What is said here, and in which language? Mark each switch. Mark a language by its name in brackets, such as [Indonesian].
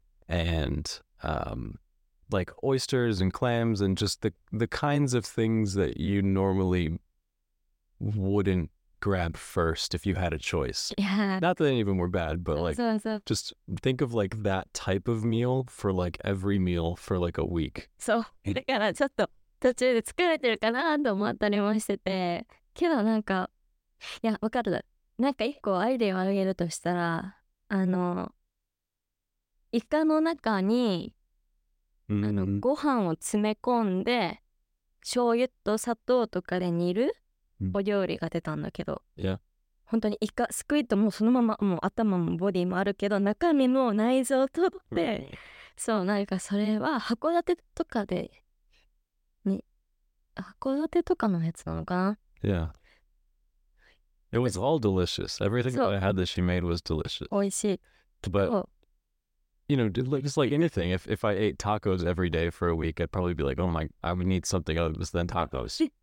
[English] And, like, oysters and clams and just the kinds of things that you normally wouldn't grab first if you had a choice. Yeah. Not that any of them were bad, but, like, so. Just think of, like, that type of meal for, like, every meal for, like, a week. [Japanese] So, だからちょっと途中で作れてるかなと思ったりもしてて、けどなんか、いや、わかる。なんか一個アイデアをあげるとしたら、あの、イカの中に、 [English] mm-hmm. [Japanese] あのご飯を詰め込んで醤油と砂糖とかで煮る、お料理が出たんだけど、 [English] yeah. [Japanese] 本当にイカスクイッドもそのままもう頭もボディもあるけど中身も内臓を取って、そうなんかそれは函館とかで、ね、函館とかのやつなのかな。 [English] Yeah. It was all delicious. Everything that I had that she made was delicious. [Japanese] 美味しい。 [English] But... You know, just like anything, if I ate tacos every day for a week, I'd probably be like, oh my, I would need something other than tacos.